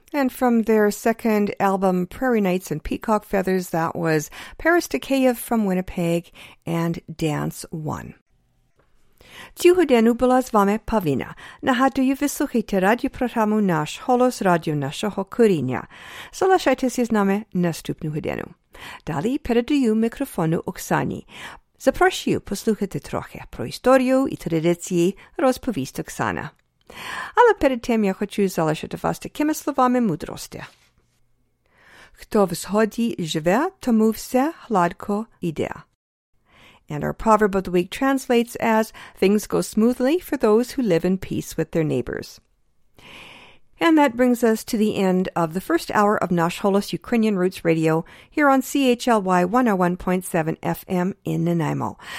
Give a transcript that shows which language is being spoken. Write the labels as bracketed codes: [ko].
[en] from their second album, Prairie Nights and Peacock Feathers. That was Paris Takeya from Winnipeg and Dance One. [uk] Цього дня була з вами Павіна. Нагадую, ви слухаєте радіопрограму «Наш голос», радіо нашого коріння. Залишайтеся з нами наступного дня. Далі передаю мікрофону Оксані. Запрошую послухати трохи про історію і традиції, розповість Оксана. Але перед тим я хочу залишити вас такими словами мудрості. Хто в згоді живе, тому все гладко йде. [en] And our proverb of the week translates as, things go smoothly for those who live in peace with their neighbors. And that brings us to the end of the first hour of Nash Holos Ukrainian Roots Radio here on CHLY 101.7 FM in Nanaimo.